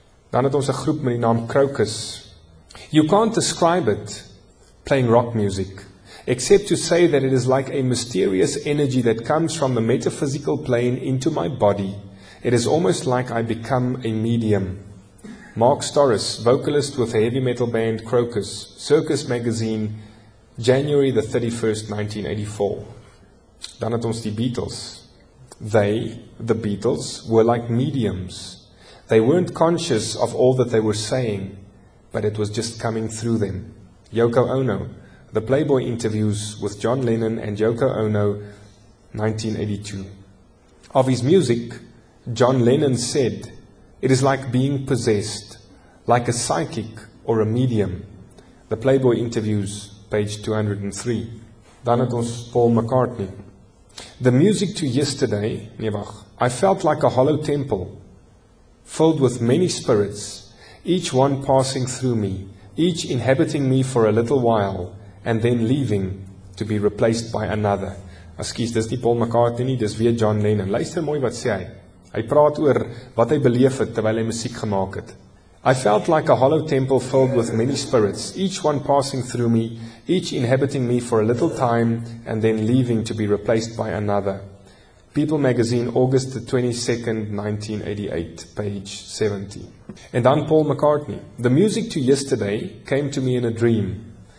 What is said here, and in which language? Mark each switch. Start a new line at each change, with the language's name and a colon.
Afrikaans: Dan het ons 'n groep met die naam Crocus.
English: You can't describe it, playing rock music, except to say that it is like a mysterious energy that comes from the metaphysical plane into my body. It is almost like I become a medium. Mark Storris, vocalist with the heavy metal band Crocus, Circus Magazine, January the 31st, 1984.
Afrikaans: Dan het ons die Beatles.
English: They, the Beatles, were like mediums. They weren't conscious of all that they were saying, but it was just coming through them. Yoko Ono, the Playboy interviews with John Lennon and Yoko Ono, 1982. Of his music, John Lennon said, it is like being possessed, like a psychic or a medium. The Playboy interviews, page 203.
Afrikaans: Dan het ons Paul McCartney.
English: The music to yesterday,
Afrikaans: nee wag,
English: I felt like a hollow temple, filled with many spirits, each one passing through me, each inhabiting me for a little while, and then leaving to be replaced by another.
Afrikaans: Excuse, dis nie Paul McCartney nie, dis weer John Lennon. Luister mooi wat sê hy. Hy praat oor wat hy beleef het terwyl hy musiek gemaak het.
English: I felt like a hollow temple filled with many spirits, each one passing through me, each inhabiting me for a little time, and then leaving to be replaced by another. People Magazine, August the 22nd, 1988, page 70. And then Paul McCartney. The music to yesterday came to me in a dream.